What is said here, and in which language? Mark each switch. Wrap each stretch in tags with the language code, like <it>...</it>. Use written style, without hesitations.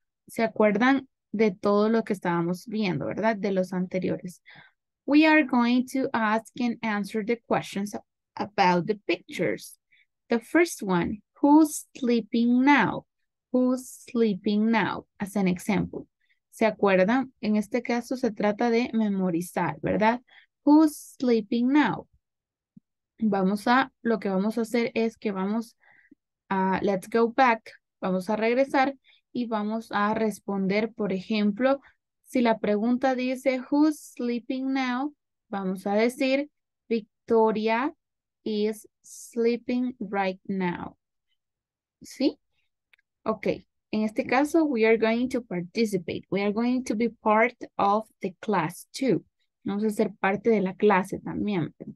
<es>¿Se acuerdan de todo lo que estábamos viendo, verdad? De los anteriores.</es> <en>We are going to ask and answer the questions about the pictures. The first one, who's sleeping now? Who's sleeping now? As an example.</en> <es>¿Se acuerdan? En este caso se trata de memorizar, ¿verdad?</es> <en>Who's sleeping now?</en> <es>Vamos a regresar. Y vamos a responder, por ejemplo, si la pregunta dice,</es> <en>who's sleeping now?</en> <es>Vamos a decir,</es> <en>Victoria is sleeping right now. ¿Sí? Okay.</en> <es>En este caso,</es> <en>we are going to participate. We are going to be part of the class too.</en> <es>Vamos a ser parte de la clase también.</es>